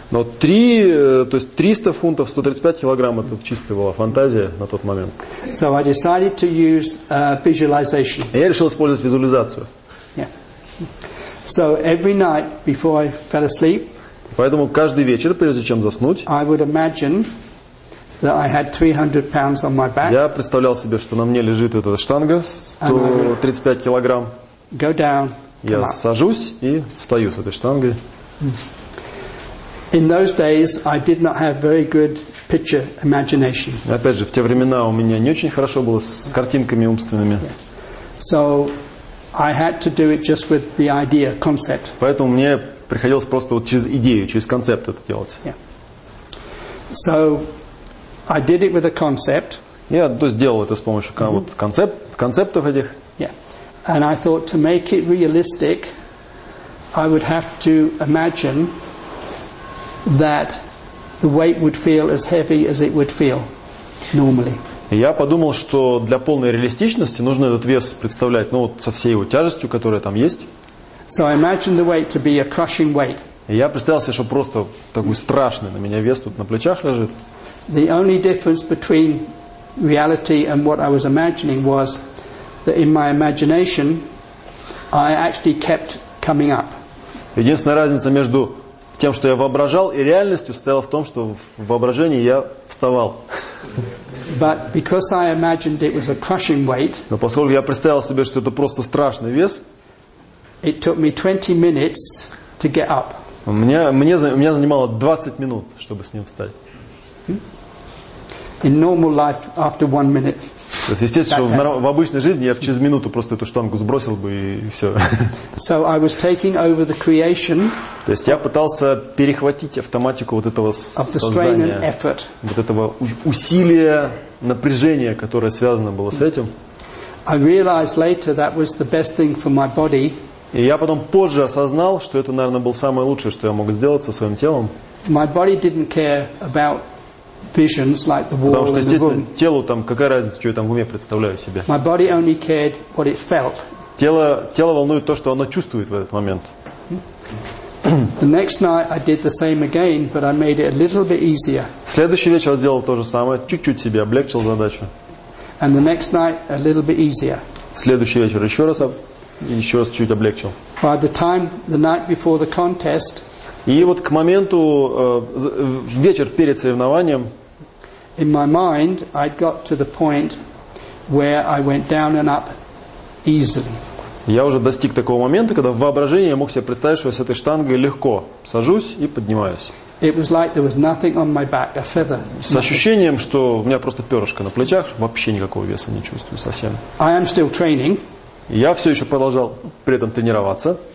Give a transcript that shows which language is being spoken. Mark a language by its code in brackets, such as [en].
[ru] Но 3, то есть 300 фунтов, 135 килограмм, это чистая была фантазия на тот момент. [en] So I decided to use visualization. [ru] Я решил использовать визуализацию. [en] Yeah. So every night before I fell asleep. [ru] Поэтому каждый вечер, прежде чем заснуть, [en] I would imagine that I had 300 pounds on my back. [ru] Я представлял себе, что на мне лежит эта штанга 135 килограмм. [en] Go down. [ru] Я сажусь и встаю с этой штангой. [en] In those days I did not have very good picture imagination. [ru] Опять же, в те времена у меня не очень хорошо было с картинками умственными. [en] So I had to do it just with the idea, concept. [ru] Поэтому мне приходилось просто вот через идею, через концепт это делать. [en] Yeah. So I did it with a concept. [ru] Я то сделал это с помощью вот концептов этих. [en] Yeah. And I thought to make it realistic, I would have to imagine that the weight would feel as heavy as it would feel normally. [ru] Я подумал, что для полной реалистичности нужно этот вес представлять, ну вот со всей его тяжестью, которая там есть. [en] So I imagined the weight to be a crushing weight. [ru] Я представил себе, что просто такой страшный на меня вес тут на плечах лежит. [en] The only difference between reality and what I was imagining was that in my imagination I actually kept coming up. [ru] Единственная разница между тем, что я воображал, и реальностью состояла в том, что в воображении я вставал. [en] But because I imagined it was a crushing weight, [ru] но поскольку я представил себе, что это просто страшный вес, [en] it took me 20 minutes to get up. [ru] У меня занимало 20 минут, чтобы с ним встать. [en] In normal life, after 1 minute. [ru] То есть, естественно, что в обычной жизни я бы через минуту просто эту штангу сбросил бы и все. [en] So I was taking over the creation. [ru] То есть я пытался перехватить автоматику вот этого создания, вот этого усилия, напряжения, которое связано было с этим. [en] I realized later that was the best thing for my body. [ru] И я потом позже осознал, что это, наверное, было самое лучшее, что я мог сделать со своим телом. [en] My body didn't care about visions like the wall. [ru] Потому что естественно, телу там какая разница, что я там в уме представляю себе. [en] My body only cared what it felt. [ru] Тело волнует то, что оно чувствует в этот момент. [en] The next night I did the same again, but I made it a little bit easier. [ru] Следующий вечер я сделал то же самое, чуть-чуть себе облегчил задачу. [en] And the next night a little bit easier. [ru] Следующий вечер еще раз чуть облегчил. [en] By the time the night before the contest. [ru] И вот к моменту, вечер перед соревнованием, [en] in my mind, I'd got to the point where I went down and up easily. [ru] Я уже достиг такого момента, когда в воображении я мог себе представить, что я с этой штангой легко сажусь и поднимаюсь. [en] It was like there was nothing on my back, a feather. [ru] С ощущением, что у меня просто перышко на плечах, вообще никакого веса не чувствую совсем. [en] I am still training. [ru] Я все еще продолжал при этом тренироваться.